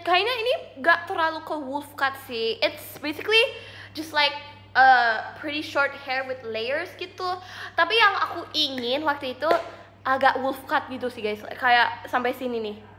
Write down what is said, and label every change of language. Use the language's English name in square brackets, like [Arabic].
[Indonesian] Kayaknya ini gak terlalu ke wolf cut sih. [English] It's basically just like a pretty short hair with layers gitu. [Indonesian] Tapi yang aku ingin waktu itu agak wolf cut gitu sih guys, kayak sampai sini nih.